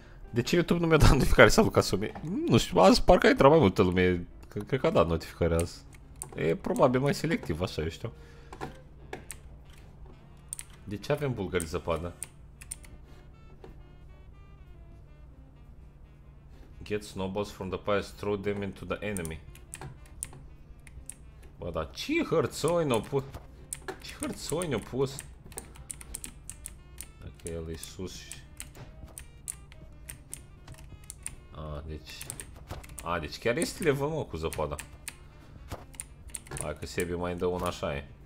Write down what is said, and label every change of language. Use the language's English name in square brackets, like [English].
[Romanian] De ce YouTube nu mi-a dat notificare? Salut, Casumi. Nu știu, azi parcă a intrat mai multă lume, cred că a dat notificare azi. E probabil mai selectiv, așa, eu știu. De ce avem bulgări zăpadă? [English] Get snowballs from the pies, throw them into the enemy. [Romanian] Bă, dar ce hărțoi ne-o pus? Ce hărțoi ne-o pus? Dacă el e sus și... deci... A, deci chiar este level, mă, cu zăpada. Hai că Sebi mai dă una, așa e.